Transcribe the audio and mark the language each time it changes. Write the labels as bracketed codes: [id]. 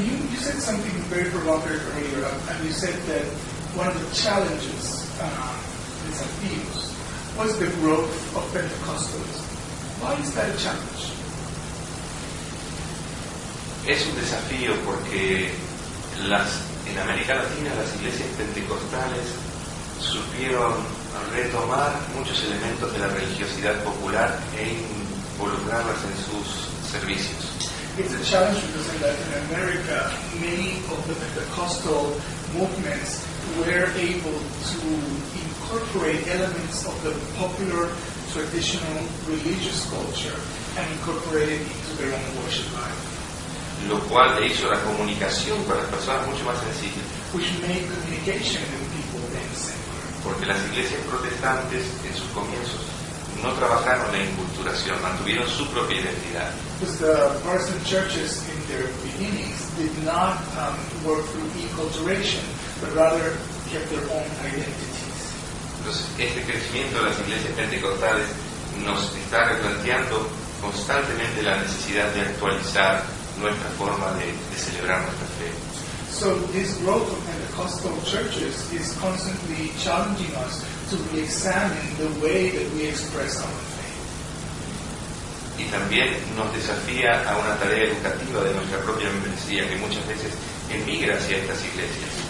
[en] You said something very provocative earlier, and you said that one of the challenges in San Pius was the growth of Pentecostalism. Why is that a challenge? [es] Es un desafío porque en América Latina las iglesias pentecostales supieron retomar muchos elementos de la religiosidad popular e involucrarlas en sus servicios. [en] It's a challenge because in Latin America, many of the Pentecostal movements were able to incorporate elements of the popular traditional religious culture and incorporate it into their own worship life. [es] Lo cual le hizo la comunicación para las personas mucho más sencilla. [en] Which made communication with people then simpler. [es] Porque las iglesias protestantes en sus comienzos no trabajaron la inculturación, mantuvieron su propia identidad. [en] Because the Protestant churches in their beginnings did not work through inculturation, but rather kept their own identities. [es] Entonces, este crecimiento de las iglesias pentecostales nos está replanteando constantemente la necesidad de actualizar nuestra forma de celebrar nuestra fe. [en] So this growth of Pentecostal churches is constantly challenging us to re-examine the way that we express our faith. [es] Y también nos desafía a una tarea educativa de nuestra propia membresía que muchas veces emigra hacia estas iglesias.